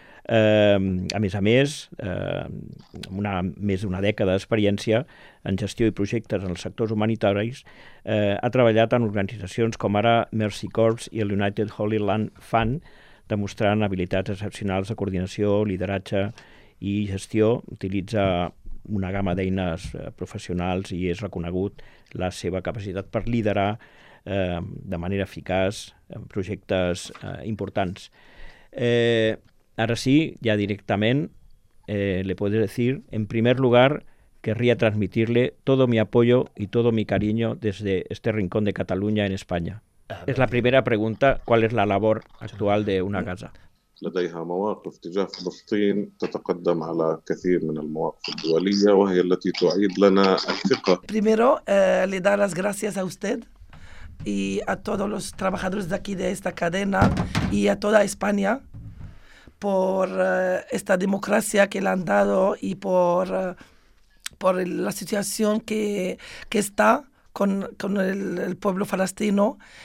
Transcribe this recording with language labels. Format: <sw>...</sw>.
<ca>A més, una més d'una dècada d'experiència en gestió i projectes en els sectors humanitaris, ha treballat en organitzacions com ara Mercy Corps i el United Holy Land Fund, demostrant habilitats excepcionals de coordinació, lideratge i gestió. Utilitza una gamma d'eines professionals i és reconegut la seva capacitat per liderar de manera eficaç projectes importants. Ara sí, ja directament,</ca> <es>le puedo decir, en primer lugar, querría transmitirle todo mi apoyo y todo mi cariño desde este rincón de Cataluña en España. Es la primera pregunta, ¿cuál es la labor actual de Una Gaza?</es> <ar>لديها مواقف تجاه فلسطين تتقدم على كثير من المواقف الدولية وهي التي تعيد لنا الثقة.</ar> <es>Primero, le dar las gracias a usted y a todos los trabajadores de aquí de esta cadena y a toda España por esta democracia que le han dado y por la situación que está con el pueblo palestino.</es>